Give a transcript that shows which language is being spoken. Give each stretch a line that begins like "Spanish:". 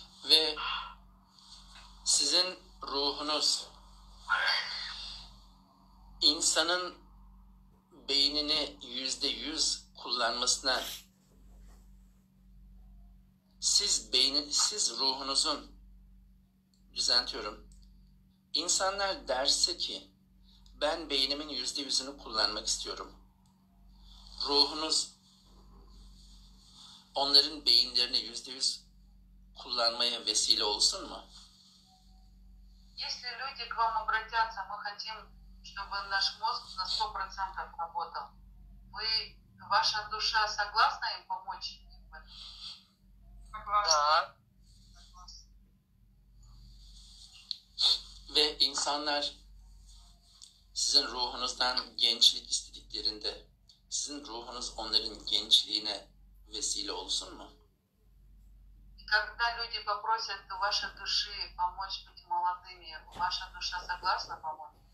Turkish: Ve sizin ruhunuz insanın beynini %100 kullanmasına siz ruhunuzun düzeltiyorum. İnsanlar derse ki ben beynimin %100'ünü kullanmak istiyorum. Ruhunuz onların beyinlerini %100 kullanmaya vesile olsun mu?
Russian: Если люди к вам обратятся, мы хотим, чтобы наш мозг на 100% работал. Вы, ваша душа согласна им помочь? Согласна.
Turkish: Ve insanlar sizin ruhunuzdan gençlik istediklerinde sizin ruhunuz onların gençliğine vesile olsun mu?
Russian: Когда люди попросят у вашей души помочь быть молодыми, ваша душа согласна помочь?